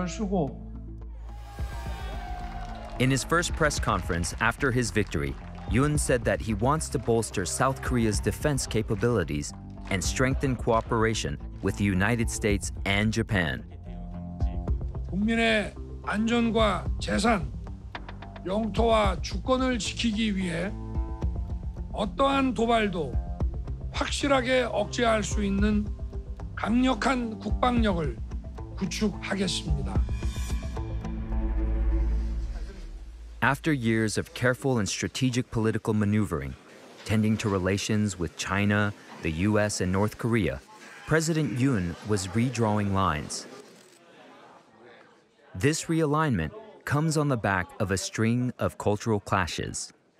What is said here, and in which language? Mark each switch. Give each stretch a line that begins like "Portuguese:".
English: In his first press conference after his victory, Yoon said that he wants to bolster South Korea's defense capabilities and strengthen cooperation with the United States and Japan.
Korean: 국민의 안전과 재산, 영토와 주권을 지키기 위해 어떠한 도발도 확실하게 억제할 수 있는 강력한 국방력을 구축하겠습니다.
English: After years of careful and strategic political maneuvering, tending to relations with China, the US, and North Korea, President Yoon was redrawing lines. This realignment comes on the back of a string of cultural clashes.